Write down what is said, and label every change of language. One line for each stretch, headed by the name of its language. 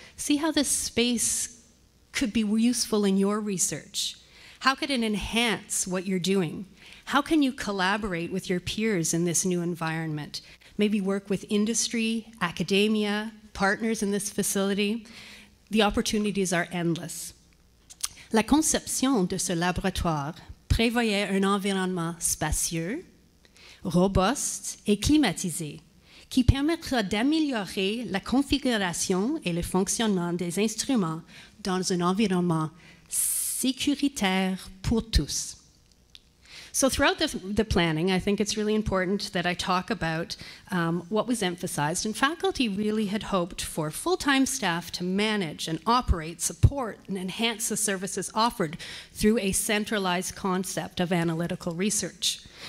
English: See how this space could be useful in your research. How could it enhance what you're doing? How can you collaborate with your peers in this new environment? Maybe work with industry, academia, partners in this facility. The opportunities are endless.
French: La conception de ce laboratoire prévoyait un environnement spacieux, robuste et climatisée, qui permettra d'améliorer la configuration et le fonctionnement des instruments dans un environnement sécuritaire pour tous.
English: So throughout the planning, I think it's really important that I talk about what was emphasized. And faculty really had hoped for full-time staff to manage and operate, support, and enhance the services offered through a centralized concept of analytical research.